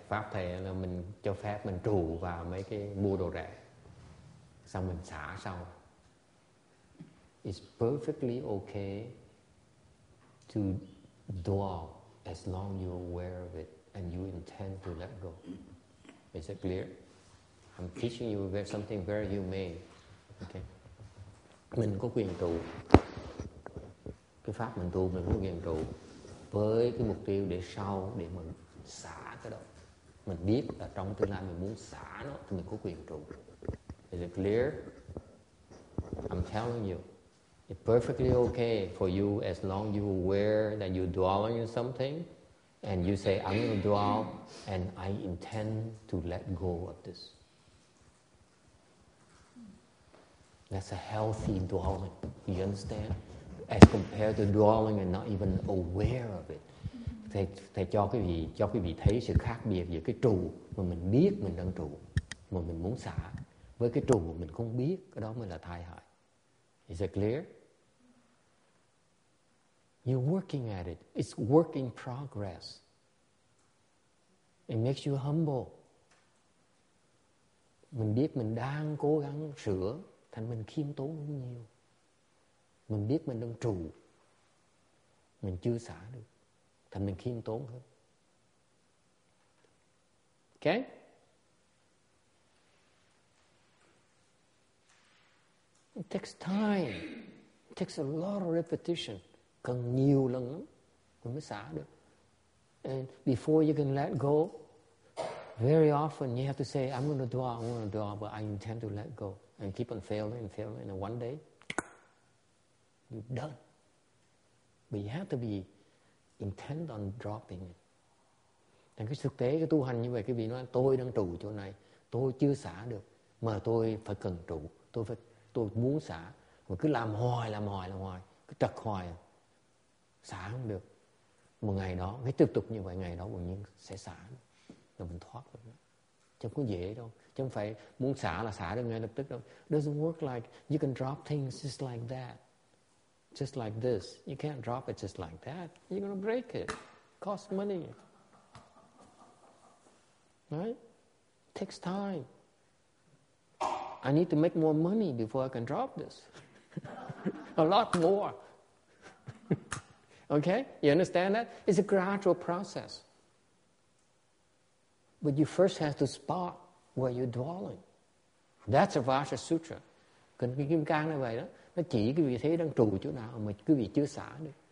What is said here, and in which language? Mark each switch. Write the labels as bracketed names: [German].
[Vietnamese] Pháp thầy là mình cho phép mình trụ vào mấy cái mua đồ rẻ, xong mình xả sau. [English] It's perfectly okay to dwell as long as you're aware of it and you intend to let go. Is that clear? I'm teaching you something very humane. Okay. [Vietnamese] Mình có quyền trụ. Cái pháp mình tu mình có quyền trụ với cái mục tiêu để sau để mình xả cái đó. Mình biết là trong tương lai mình muốn xả nó thì mình có quyền trụ. [English] Is it clear? I'm telling you, it's perfectly okay for you as long as you're aware that you're dwelling in something and you say, I'm going to dwell and I intend to let go of this. That's a healthy dwelling. You understand? As compared to dwelling and not even aware of it. [Vietnamese] Thầy cho quý vị thấy sự khác biệt giữa cái trụ mà mình biết mình đang trụ mà mình muốn xả với cái trụ mà mình không biết, cái đó mới là tai hại. [English] Is it clear? You're working at it. It's work in progress. It makes you humble. [Vietnamese] Mình biết mình đang cố gắng sửa thành mình khiêm tốn hơn nhiều. Mình biết mình đang trụ, mình chưa xả được, thành mình khiêm tốn hơn. [English] Okay? It takes time. It takes a lot of repetition. [Vietnamese] Cần nhiều lần lắm, mình mới xả được. [English] And before you can let go, very often you have to say, I'm going to dwell, but I intend to let go. And keep on failing, and one day, you're done. But you have to be intent on dropping it. [Vietnamese] Thành cái thực tế, cái tu hành như vậy, cái vị nói, tôi đang trụ chỗ này, tôi chưa xả được, mà tôi phải cần trụ, tôi muốn xả. Mà cứ làm hoài, làm hoài, cứ trật hoài, xả không được. một ngày đó, ngay tiếp tục như vậy, ngày đó bỗng nhiên sẽ xả, rồi mình thoát được. Chứ không có dễ đâu. Chứ không phải muốn xả là xả được ngay lập tức đâu. [English] Doesn't work like you can drop things just like that. Just like this. You can't drop it just like that. You're going to break it. Cost money. Right? Takes time. I need to make more money before I can drop this. A lot more. Okay? You understand that? It's a gradual process. But you first have to spot where you're dwelling. That's a Vajra Sutra. [Vietnamese] Cần cái kim cang như vậy đó. Nó chỉ cái vị thế đang trụ chỗ nào mà cái vị chưa xả được.